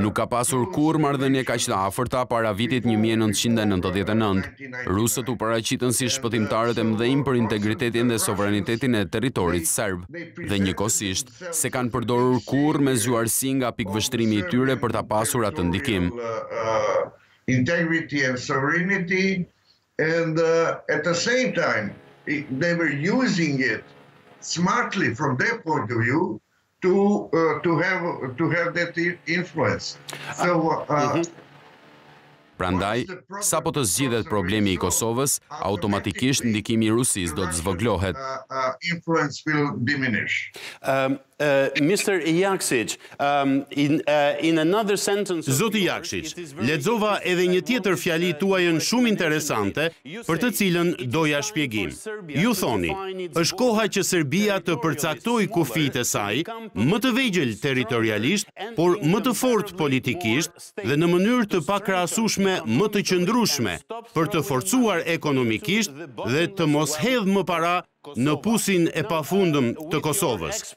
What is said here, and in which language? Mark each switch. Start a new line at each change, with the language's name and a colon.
Albanian: Nuk ka pasur kurrë marrëdhënie kaq të afërta para vitit 1999. Rusët u paraqitën si shpëtimtarët e mëdhenj për integritetin dhe sovranitetin e territorit serb, dhe njëkohësisht se kanë përdorur kurrë me zgjuarsi nga pikëvështrimi i tyre për ta pasur atë ndikim.
English: Integrity and sovereignty, and at the same time, they were using it smartly from their point of view to have that influence. So,
Albanian: Prandaj, sapo të zgjidhet problemi i Kosovës, automatikisht ndikimi i Rusisë do të zvoglohet.
English: Influence will diminish. Mr. Jakšić, in another sentence.
Albanian: Zoti Jakšić, lexova edhe një tjetër fjali tuajën shumë interesante, për të cilën doja shpjegim. Ju thoni, është koha që Serbia të përcaktojë kufijtë e saj, më të vegjël territorialisht, por më të fortë politikisht dhe në mënyrë të pakrahasueshme më të qëndrueshme, për të forcuar ekonomikisht dhe të mos hedhë më para në pusin e pafundëm të Kosovës.